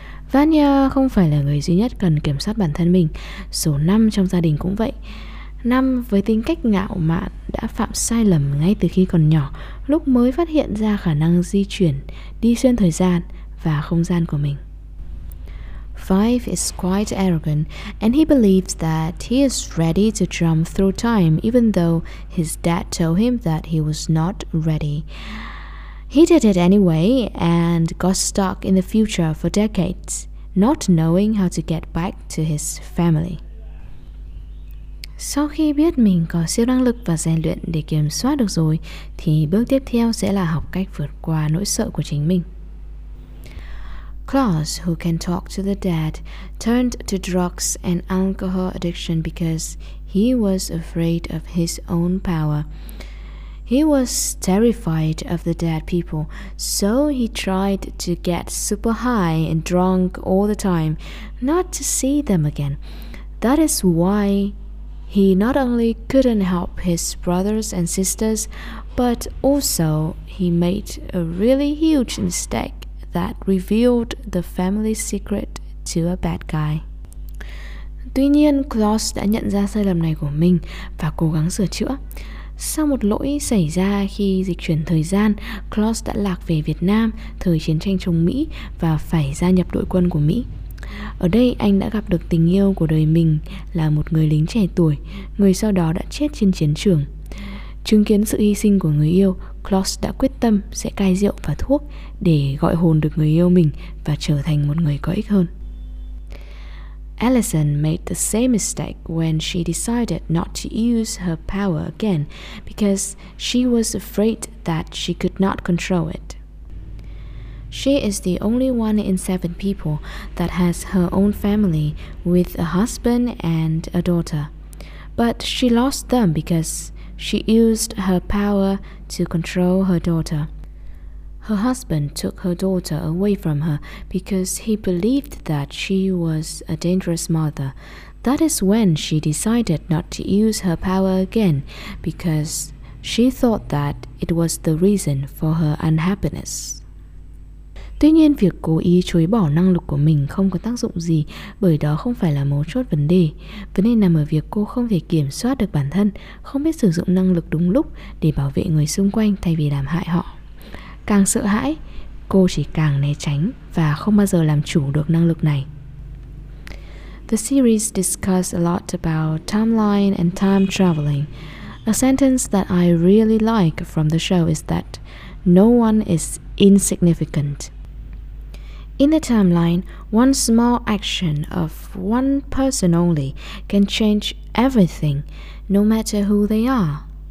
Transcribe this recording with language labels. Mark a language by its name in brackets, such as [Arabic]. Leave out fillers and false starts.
[Vietnamese] Vanya không phải là người duy nhất cần kiểm soát bản thân mình. Số 5 trong gia đình cũng vậy. Năm với tính cách ngạo mạn đã phạm sai lầm ngay từ khi còn nhỏ, lúc mới phát hiện ra khả năng di chuyển, đi xuyên thời gian và không gian của mình. [English] Five is quite arrogant and he believes that he is ready to jump through time even though his dad told him that he was not ready. He did it anyway and got stuck in the future for decades, not knowing how to get back to his family. [Vietnamese] Sau khi biết mình có siêu năng lực và rèn luyện để kiểm soát được rồi, thì bước tiếp theo sẽ là học cách vượt qua nỗi sợ của chính mình. [English] Klaus, who can talk to the dad, turned to drugs and alcohol addiction because he was afraid of his own power. He was terrified of the dead people, so he tried to get super high and drunk all the time, not to see them again. That is why he not only couldn't help his brothers and sisters, but also he made a really huge mistake that revealed the family secret to a bad guy. [Vietnamese] Tuy nhiên, Klaus đã nhận ra sai lầm này của mình và cố gắng sửa chữa. Sau một lỗi xảy ra khi dịch chuyển thời gian, Klaus đã lạc về Việt Nam, thời chiến tranh chống Mỹ và phải gia nhập đội quân của Mỹ. Ở đây anh đã gặp được tình yêu của đời mình là một người lính trẻ tuổi, người sau đó đã chết trên chiến trường. Chứng kiến sự hy sinh của người yêu, Klaus đã quyết tâm sẽ cai rượu và thuốc để gọi hồn được người yêu mình và trở thành một người có ích hơn. [English] Allison made the same mistake when she decided not to use her power again because she was afraid that she could not control it. She is the only one in seven people that has her own family with a husband and a daughter. But she lost them because she used her power to control her daughter. Her husband took her daughter away from her because he believed that she was a dangerous mother. That is when she decided not to use her power again because she thought that it was the reason for her unhappiness. [Vietnamese] Tuy nhiên, việc cố ý chối bỏ năng lực của mình không có tác dụng gì, bởi đó không phải là mấu chốt vấn đề. Vấn đề nằm ở việc cô không thể kiểm soát được bản thân, không biết sử dụng năng lực đúng lúc để bảo vệ người xung quanh thay vì làm hại họ. Càng sợ hãi, cô chỉ càng né tránh và không bao giờ làm chủ được năng lực này. [English] The series discusses a lot about timeline and time traveling. A sentence that I really like from the show is that no one is insignificant. In the timeline, one small action of one person only can change everything, no matter who they are.